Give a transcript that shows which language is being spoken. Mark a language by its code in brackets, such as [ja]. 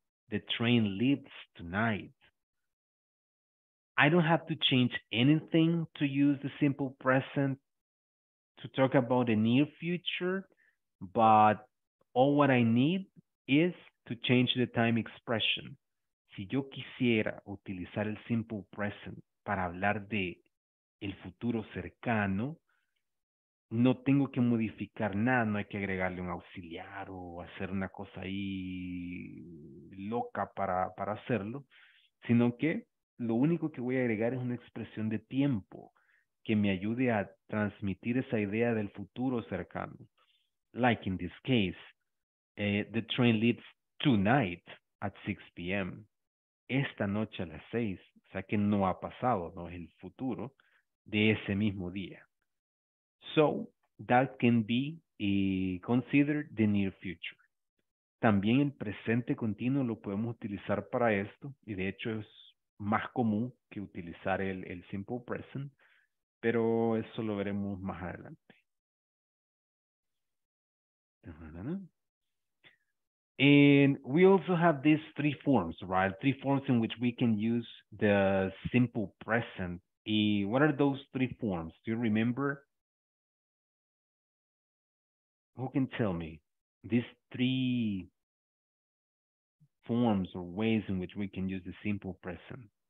[en] The train leaves tonight. I don't have to change anything to use the simple present to talk about the near future, but all what I need is to change the time expression. [es] Si yo quisiera utilizar el simple present para hablar de el futuro cercano, no tengo que modificar nada, no hay que agregarle un auxiliar o hacer una cosa ahí loca para hacerlo, sino que lo único que voy a agregar es una expresión de tiempo que me ayude a transmitir esa idea del futuro cercano. [en] Like in this case, the train leaves tonight at 6 p.m. [es] Esta noche a las 6, o sea que no ha pasado, no es el futuro, de ese mismo día. [en] So, that can be considered the near future. [es] También el presente continuo lo podemos utilizar para esto, y de hecho es más común que utilizar el simple present, pero eso lo veremos más adelante. [en] And we also have these three forms, right? Three forms in which we can use the simple present. Y what are those three forms? Do you remember? Who can tell me? These three forms or ways in which we can use the simple present.